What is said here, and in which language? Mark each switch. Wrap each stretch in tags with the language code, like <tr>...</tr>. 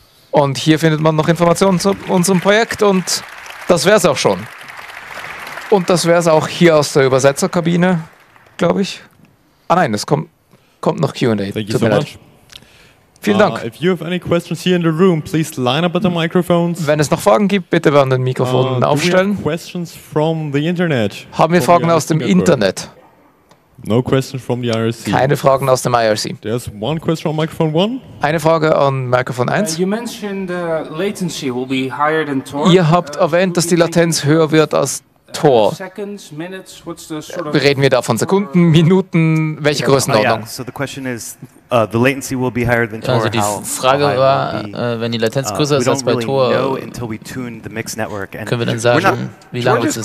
<de>Und hier findet man noch Informationen zu unserem Projekt und das wäre es auch schon. Und das wäre es auch hier aus der Übersetzerkabine, glaube ich. Ah nein, es kommt noch Q&A.</de> <en>Thank you so much.</en> <de>Vielen Dank.</de> <en>If you have any questions here in the room, please line up at the microphones.</en> <de>Wenn es noch Fragen gibt, bitte an den Mikrofonen aufstellen.</de> <en>Do we have questions from the internet?</en> <de>Haben wir Fragen aus dem Internet?</de> <en>No questions from the IRC.</en> <de>Keine Fragen aus dem IRC.</de> <en>There's one question on microphone one.</en> <de>Eine Frage an Mikrofon 1.</de> <en>You mentioned latency will be higher than Tor.</en> <de>Ihr habt erwähnt, dass die Latenz höher wird als Tor.</de> <en>Seconds, minutes, what's the sort of</en> <de>reden wir da von Sekunden, Minuten, welche Größenordnung?</de> <en>So the question is, the latency will be higher than Tor.</en> <de>Also die Frage war, wenn die Latenz größer ist als bei Tor, können wir dann sagen, wie lange es ist.</de>